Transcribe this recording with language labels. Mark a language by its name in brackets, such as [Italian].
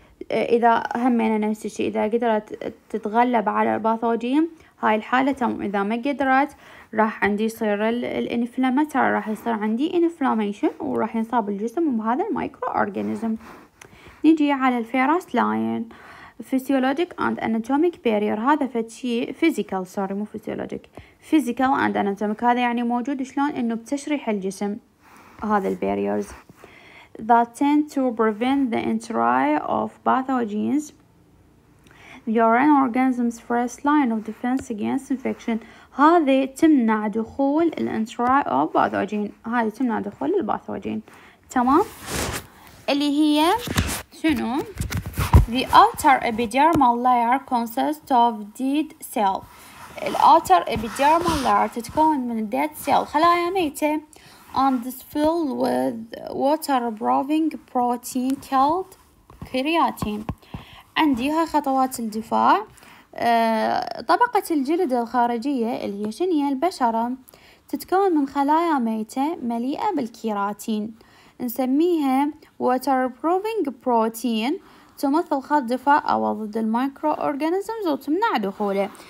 [Arabic] اذا همينا نفس الشيء، اذا قدرت تتغلب على الباثوجين هاي الحالة تمام، اذا ما قدرت راح عندي يصير الانفلاماتر، راح يصير عندي انفلاميشن وراح ينصاب الجسم بهذا المايكرو اورجانيزم. نجي على الفيروس لاين فيسيولوجيك اند اناتوميك بارير، هذا فتشي فيزيكال، سوري مو فيسيولوجيك، فيزيكال اند اناتوميك، هذا يعني موجود شلون انه بتشريح الجسم هذا البيريرز. [English] That tend to prevent the entry of pathogens. Your own organism's first line of defense against infection. [Arabic] هذه تمنع دخول ال [English] entry of pathogen. [Arabic] هذه تمنع دخول الباثوجين. تمام؟ اللي هي شنو؟ [English] The outer epidermal layer consists of dead cell. [Arabic] ال [English] outer epidermal layer [Arabic] تتكون من [English] dead cell، [Arabic] خلايا ميتة. [English] And is filled with water-absorbing protein called keratin. [Arabic] عندي هاي خطوات الدفاع. طبقة الجلد الخارجية اللي هي شنية البشرة تتكون من خلايا ميتة مليئة بالكيراتين. نسميها [English] waterproofing protein [Arabic] تمثل خط دفاع أو ضد المايكرو أورجانيزمز وتمنع دخوله.